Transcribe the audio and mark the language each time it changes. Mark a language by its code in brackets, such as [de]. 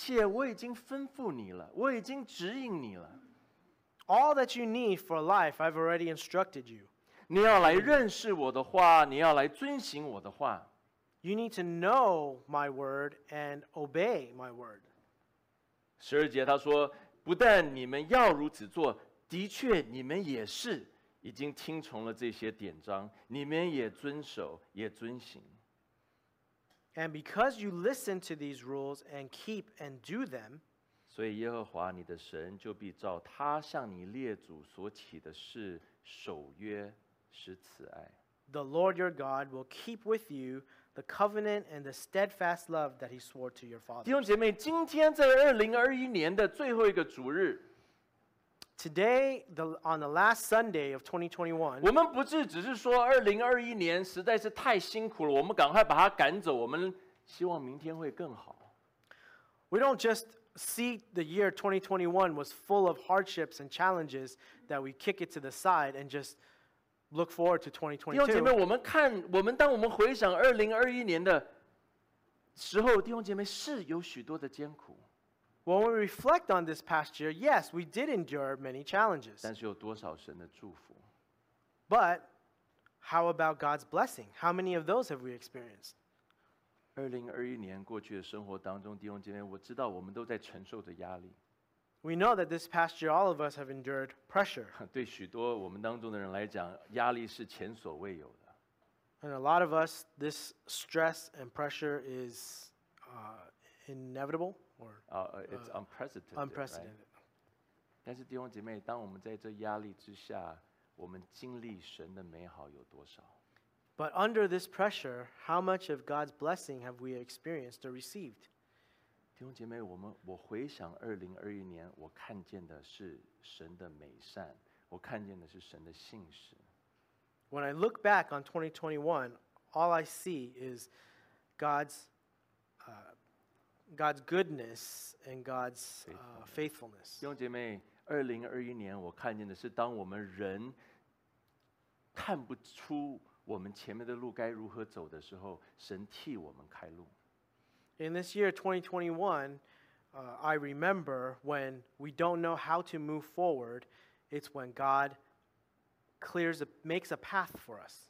[zh] 我将你生命当中所需要的一切我已经吩咐你了, 我已经指引你了。 [en] All that you need for life, I've already instructed you. [zh] 你要来认识我的话, 你要来遵行我的话。 [en] You need to know my word and obey my word. [zh] 十二节他说, 不但你们要如此做, 的确你们也是已经听从了这些典章, 你们也遵守, 也遵行。 [en] And because you listen to these rules and keep and do them, [zh] 所以耶和华你的神就必照他向你列祖所起的誓守约施慈爱。 [en] The Lord your God will keep with you the covenant and the steadfast love that he swore to your fathers. [zh] 弟兄姐妹，今天在2021年的最后一个主日。 [en] Today, on the last Sunday of 2021, [zh] 我们不是只是说2021年实在是太辛苦了，我们赶快把它赶走，我们希望明天会更好。 [en] We don't just see the year 2021 was full of hardships and challenges that we kick it to the side and just look forward to 2022. [zh] 弟兄姐妹，我们看，我们当我们回想2021年的时候，弟兄姐妹是有许多的艰苦。 [en] When we reflect on this past year, yes, we did endure many challenges. [zh] 但是有多少神的祝福? [en] But how about God's blessing? How many of those have we experienced? [zh] 2021年过去的生活当中，弟兄姐妹，我知道我们都在承受着压力。 [en] We know that this past year, all of us have endured pressure. [zh] 对许多我们当中的人来讲，压力是前所未有的。 [en] And a lot of us, this stress and pressure is inevitable. It's unprecedented. Unprecedented. [zh] 但是弟兄姐妹，当我们在这压力之下，我们经历神的美好有多少？ [en] But under this pressure, how much of God's blessing have we experienced or received? [zh] 弟兄姐妹，我回想2021年，我看见的是神的美善，我看见的是神的信实。 [en] When I look back on 2021, all I see is God's goodness and God's faithfulness. [zh] 弟兄姐妹，2021年我看见的是，当我们人看不出我们前面的路该如何走的时候，神替我们开路。 [en] In this year 2021, I remember when we don't know how to move forward, it's when God makes a path for us.